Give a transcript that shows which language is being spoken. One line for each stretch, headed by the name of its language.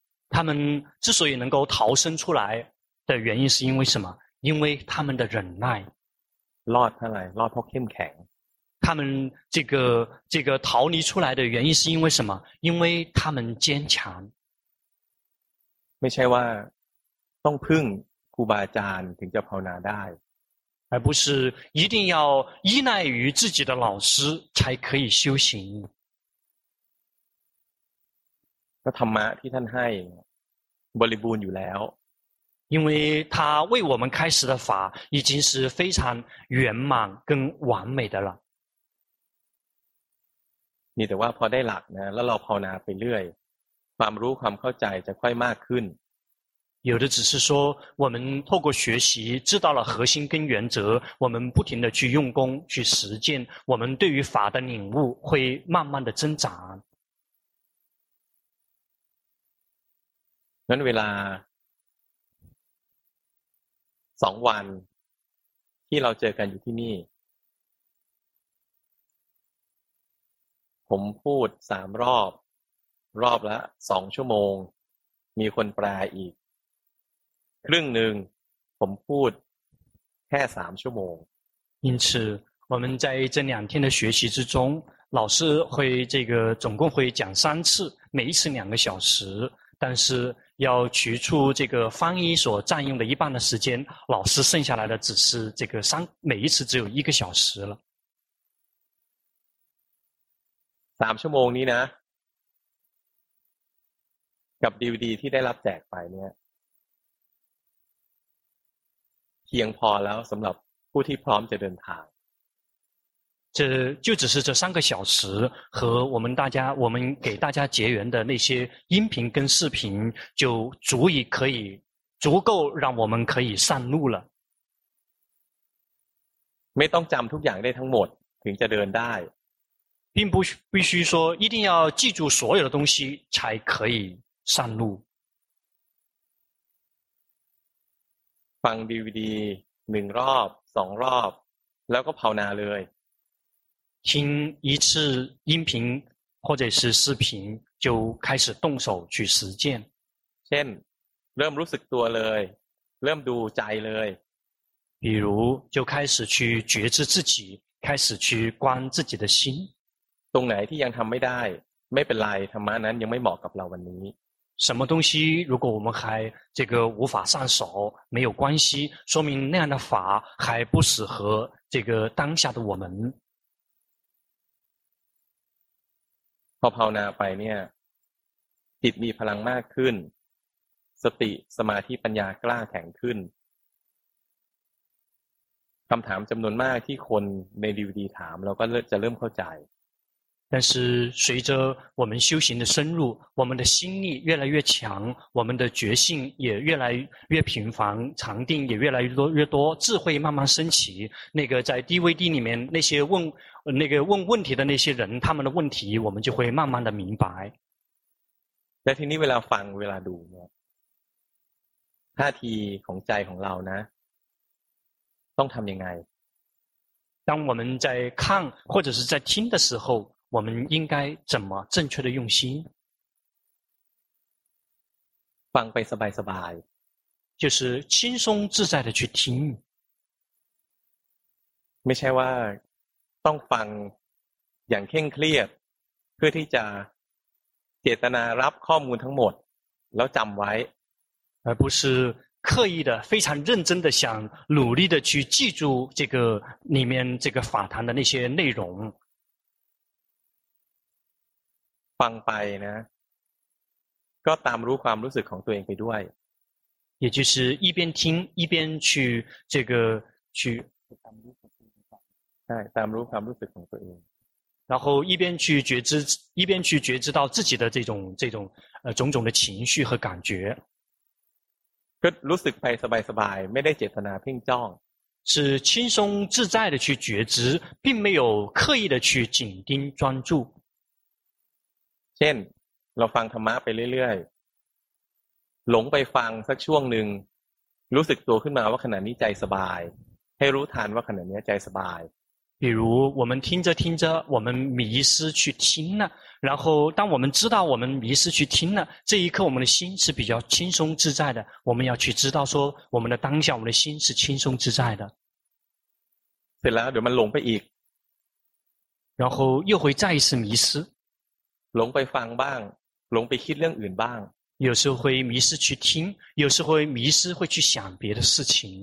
Chinese: 他们之所以能够逃生出来的原因是因为什么因为他们的忍耐落出来落出来落出来他们这个逃离出来的原因是因为什么因为他们坚强
Thai: ไม่ใช่ว่าต้องพึ่งครูบาอาจารย์ถึงจะภาวนาได้
Chinese: 而不是一定要依赖于自己的老师才可以修行
Thai: ก็ธรรมะที่ท่านให้บริบูรณ์อยู่แล้ว
Chinese: 因为他为我们开始的法已经是非常圆满跟完美的了
Thai: นี่แต่ว่าพอได้หลักนะแล้วเราภาวนาไปเรื่อยความรู้ความเข้าใจจะค่อยมากขึ้น
Chinese: 有的只是说我们透过学习知道了核心跟原则我们不停的去用功去实践我们对于法的领悟会慢慢的增长
Thai: นั้นเวลา2วันที่เราเจอกันอยู่ที่นี่ผมพูด3รอบรอบละ2ชั่วโมงมีคนแปลอีกครึ่งนึงผมพูดแค่3ชั่วโมง
Chinese: 因此我们在这两天的学习之中老师会这个总共会讲三次，每一次两个小时，但是要取出这个翻译所占用的一半的时间，老师剩下来的只是这个三，每一次只有一个小时了。
Thai: 三ชั่วโมงนี้นะกับดีวีดีที่ได้รับแจกไปเนี่ยเพียงพอแล้วสำหรับผู้ที่พร้อมจะเดินทาง
Chinese: 这就只是这三个小时和我们给大家结缘的那些音频跟视频就足够让我们可以上路了。
Thai: ไม่ต้องจำทุกอย่างได้ทั้งหมดถึงจะเดินได้
Chinese: 并不必须说一定要记住所有的东西才可以上路。
Thai: ฟัง DVD 1รอบ2รอบแล้วก็ภาวนาเลย
Chinese: 听一次音频或者是视频就开始动手去实践。
Thai: เช่นเริ่มรู้สึกตัวเลยเริ่มดูใจเลย
Chinese: 比如就开始去觉知自己开始去观自己的心。
Thai: ตรงไหนที่ยังทำไม่ได้ไม่เป็นไรธรรมะนั้นยังไม่เหมาะกับเราวันนี้
Chinese: 什么东西如果我们还这个无法上手没有关系说明那样的法还不适合这个当下的我们。
Thai: พอภาวนาไปเนี่ยจิตมีพลังมากขึ้นสติสมาธิปัญญากล้าแข็งขึ้นคำถามจำนวนมากที่คนในดีวีดีถามเราก็จะเริ่มเข้าใจ
Chinese: 但是随着我们修行的深入我们的心力越来越强我们的觉性也越来越频繁禅定也越来越 多智慧慢慢升起那个在 DVD 里面那些问那个问问题的那些人他们的问题我们就会慢慢的明白
Thai: แต่ทีนี้เวลาฟังเวลาดูเนี่ยท่าทีของใจของเรานะต้องทำยังไง
Chinese: 当我们在看或者是在听的时候我们应该怎么正确的用心
Thai: ฟังไปสบายสบาย
Chinese: 就是轻松自在的去听
Thai: ไม่ใช่ว่าต้องฟังอย่างเคร่งเครียดเพื่อที่จะเจตนารับข้อมูลทั้งหมดแล้วจำไว้
Chinese: 而不是刻意的非常认真的想努力的去记住这个里面这个法坛的那些内容
Thai: ฟังไปนะก็ตามรู้ความรู้สึกของตัวเองไปด้วย
Chinese: 也就是一边听一边去这个去
Thai: ใช่ตามรู้ความรู้สึกของตัวเอง
Chinese: 然后一边去觉知一边去觉知到自己的这种种种的情绪和感觉
Thai: ก็รู้สึกไปสบายสบายไม่ได้เจตนาเพ่งจ้อง
Chinese: 是轻松自在的去觉知并没有刻意的去紧盯专注
Thai: เช่นเราฟังธรรมะไปเรื่อยๆหลงไปฟังสักช่วงหนึ่งรู้สึกตัวขึ้นมาว่าขณะนี้ใจสบายให้รู้ทันว่าขณะนี้ใจสบาย
Chinese: 比如我们听着听着我们迷失去听了然后当我们知道我们迷失去听了这一刻我们的心是比较轻松自在的我们要去知道说我们的当下我们的心是轻松自在的
Thai: เสร็จแล้วเดี๋ยวมันหลงไปอีก
Chinese: 然后又会再一次迷失
Thai: หลงไปฟังบ้างหลงไปคิดเรื่องอื่นบ้าง
Chinese: 有时候会迷失去听有时候会迷失会去想别的事情